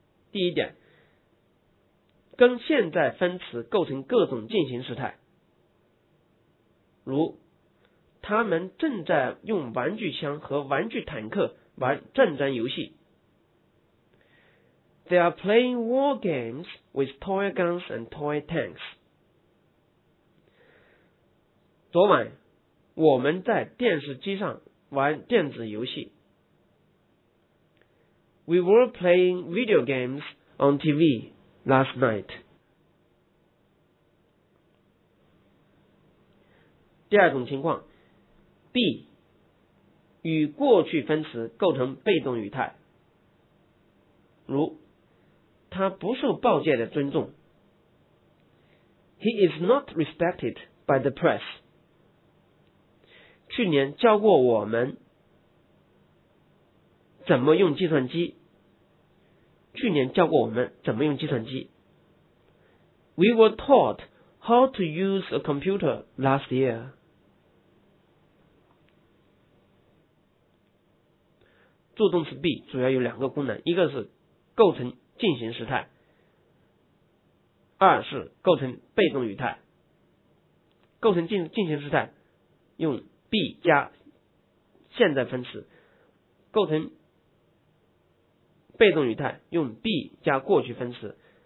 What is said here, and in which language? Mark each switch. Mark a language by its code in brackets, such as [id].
[zh] 第一点，跟现在分词构成各种进行时态，如他们正在用玩具枪和玩具坦克玩战争游戏。 [en] They are playing war games with toy guns and toy tanks。 [zh] 昨晚我们在电视机上玩电子游戏。 [en] We were playing video games on TV last night。 [zh] 第二种情况， be 与过去分词构成被动语态，如他不受报界的尊重。 [en] He is not respected by the press。 [zh] 去年教过我们怎么用计算机。去年教过我们怎么用计算机。 [en] We were taught how to use a computer last year。 [zh] 助动词 be 主要有两个功能，一个是构成进行时态，二是构成被动语态。构成进行时态用be 加现在分词，构成被动语态用 be 加过去分词。